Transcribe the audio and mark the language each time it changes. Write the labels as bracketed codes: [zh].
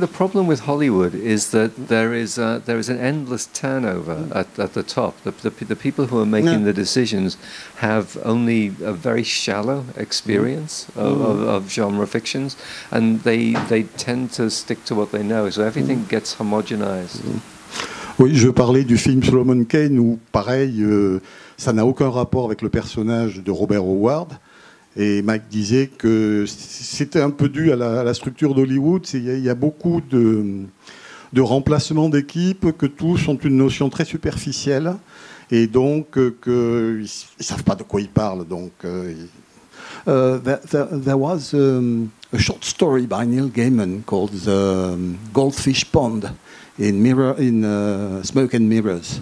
[en] the problem with Hollywood is that there is an endless turnover at the top. The people who are making the decisions have only a very shallow experience of genre fictions, and they tend to stick to what they know. So everything gets homogenized. [fr] Oui, je parlais du film Solomon Kane où, pareil, ça n'a aucun rapport avec le personnage de Robert Howard. Et Mike disait que c'était un peu dû à la structure d'Hollywood. Il y a beaucoup de remplacements d'équipes, que tous ont une notion très superficielle. Et donc, ils savent pas de quoi ils parlent. Donc, [en] there was a short story by Neil Gaiman called The Goldfish Pond in Smoke and Mirrors.